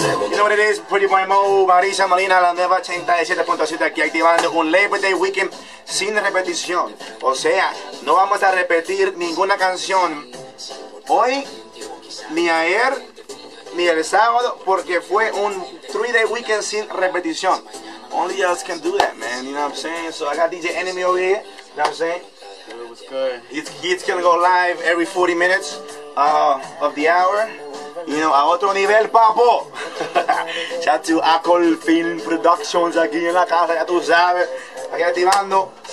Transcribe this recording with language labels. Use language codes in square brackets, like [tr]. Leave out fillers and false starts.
[en] You know what it is, [es] PrettyBoiMo, Mauricio, Molina, la nueva 87.7 aquí activando un Labor Day Weekend sin repetición. O sea, no vamos a repetir ninguna canción hoy, ni ayer, ni el sábado, porque fue un [en] 3-day weekend [es] sin repetición. [en] Only us can do that, man, you know what I'm saying? So I got DJ Enemy over here, you know what I'm saying? It was good. It's gonna go live every 40 minutes of the hour. You know, [es] a otro nivel, papo. [en] Shout to [es] Acol Film Productions aquí en la casa, ya tú sabes. Aquí activando.